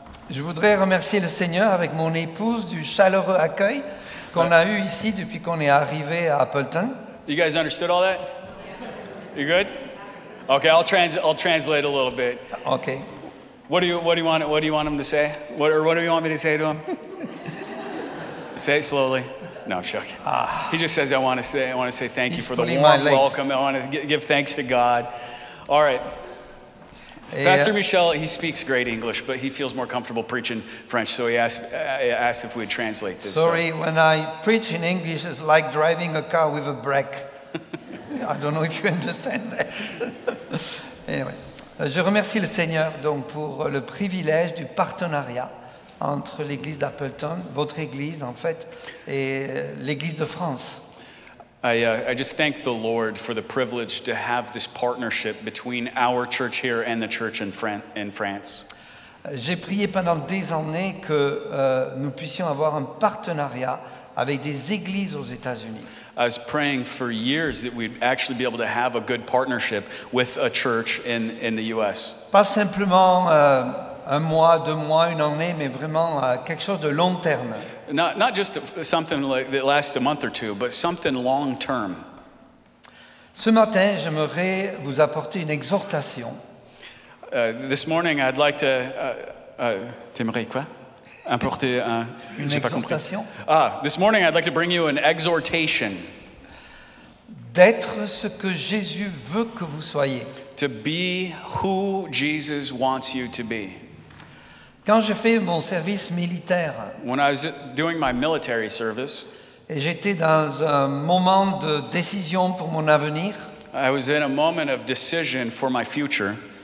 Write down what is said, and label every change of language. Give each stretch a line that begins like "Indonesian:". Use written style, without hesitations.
French: Je voudrais remercier le Seigneur avec mon épouse du chaleureux accueil qu'on a eu ici depuis qu'on est arrivé à Appleton.
English: You guys understood all that? You good? Okay, I'll translate a little bit. Okay. What do you want him to say? What do you want me to say to him? Say it slowly. No, I'm joking. He just says, I want to say thank you for the warm welcome. I want to give thanks to God. All right. Pastor Michel, he speaks great English, but he feels more comfortable preaching French, so he asked if we'd translate this. Sorry, when I preach in English, it's like driving a car with a brake. I don't know if you understand that.
French: Anyway, je remercie le Seigneur donc pour le privilège du partenariat entre l'église d'Appleton, votre église en fait, et l'église de France.
English: I just thank the Lord for the privilege to have this partnership between our church here and the church in France.
French: J'ai prié pendant des années que nous puissions avoir un partenariat avec des églises aux États-Unis.
English: I was praying for years that we'd actually be able to have a good partnership with a church in the U.S.
French: Pas simplement un mois, deux mois, une année, mais vraiment quelque chose de long terme.
English: Not just something like that lasts a month or two, but something long term.
French: Ce matin, j'aimerais vous apporter une exhortation.
English: This morning, I'd like to.
French: T'aimerais quoi? Apporter un. Une j'ai exhortation. Pas compris.
English: This morning, I'd like to bring you an exhortation.
French: D'être ce que Jésus veut que vous soyez.
English: To be who Jesus wants you to be.
French: Quand j'ai fait mon service militaire,
English: when I was doing my military service,
French: et j'étais dans un moment de décision pour mon avenir,
English: I was in a moment of decision for my future,